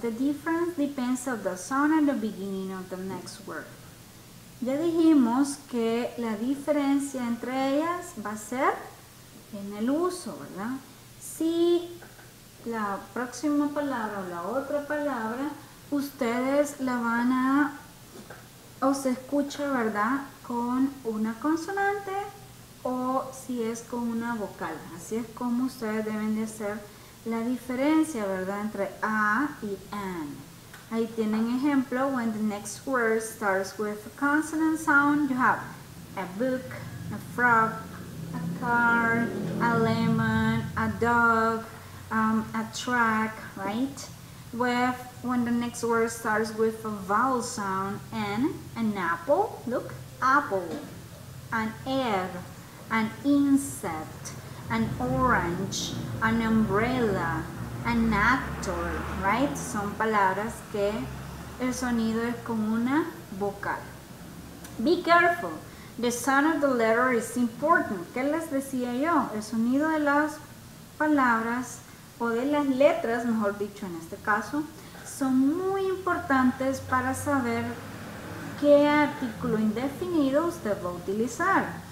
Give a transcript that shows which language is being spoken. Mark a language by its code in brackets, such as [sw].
[en] The difference depends on the sound and the beginning of the next word. [es] Ya dijimos que la diferencia entre ellas va a ser en el uso, ¿verdad? Si la próxima palabra o la otra palabra, ustedes la van a, o se escucha, ¿verdad? Con una consonante o si es con una vocal. Así es como ustedes deben de hacer la diferencia, ¿verdad? Entre A y N. Ahí tienen ejemplo, [en] when the next word starts with a consonant sound, you have a book, a frog, a car, a lemon, a dog, a track, right? When the next word starts with a vowel sound, an apple, look, apple, an egg, an insect, an orange, an umbrella, an actor, right? [es] Son palabras que el sonido es con una vocal. [en] Be careful. The sound of the letter is important. [es] ¿Qué les decía yo? El sonido de las palabras o de las letras, mejor dicho en este caso, son muy importantes para saber qué artículo indefinido usted va a utilizar.